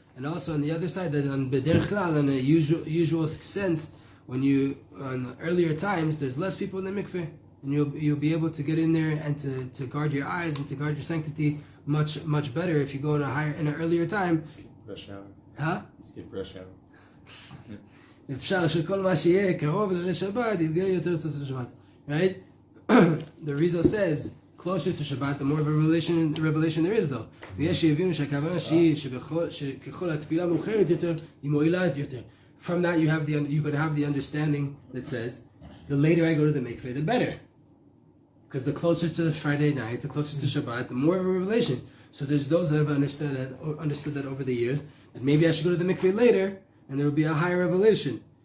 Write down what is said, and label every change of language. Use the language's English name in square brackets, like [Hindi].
[English] And also on the other side, that on Beder Chlal, in a usual sense, when you, on earlier times, there's less people in the mikveh, and you'll be able to get in there and to guard your eyes and to guard your sanctity much, much better if you go in an earlier time. Skip rush hour. Huh? Skip rush hour. [Hebrew] אפשר שכל מה שיהיה קרוב לליל שבת, יתגלה יותר תוספת שבת. [English] Right? The Rizal says, closer to Shabbat, the more of a revelation there is, though. [Hebrew] ויש שיבינו שהכוונה שהיא שככל התפילה מאוחרת יותר, היא מועילה יותר. [English] From that, you could have the understanding that says, the later I go to the mikveh, the better. Because the closer to the Friday night, the closer to Shabbat, the more of a revelation. So there's those that have understood that over the years, that maybe I should go to the mikveh later, and there will be a higher revelation.